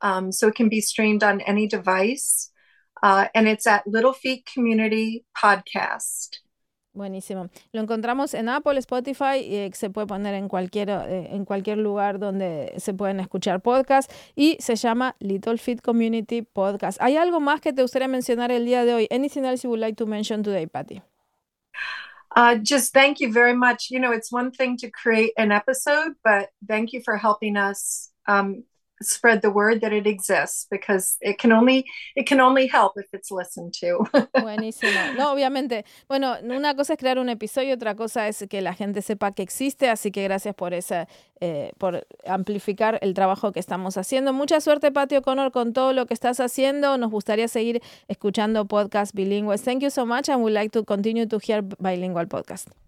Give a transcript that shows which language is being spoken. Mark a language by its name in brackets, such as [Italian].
[English] So it can be streamed on any device. And it's at Little Feet Community Podcast. [Spanish] Buenísimo. Lo encontramos en Apple, Spotify, y se puede poner en cualquier lugar donde se pueden escuchar podcasts. Y se llama Little Feet Community Podcast. ¿Hay algo más que te gustaría mencionar el día de hoy? [English] Anything else you would like to mention today, Patty? Just thank you very much. You know, it's one thing to create an episode, but thank you for helping us spread the word that it exists, because it can only help if it's listened to. [Spanish] Buenísimo. No, obviamente. Bueno, una cosa es crear un episodio, otra cosa es que la gente sepa que existe, así que gracias por esa por amplificar el trabajo que estamos haciendo. Mucha suerte, Patty O'Connor, con todo lo que estás haciendo. Nos gustaría seguir escuchando podcasts bilingües. [English] Thank you so much, and we'd like to continue to hear bilingual podcast.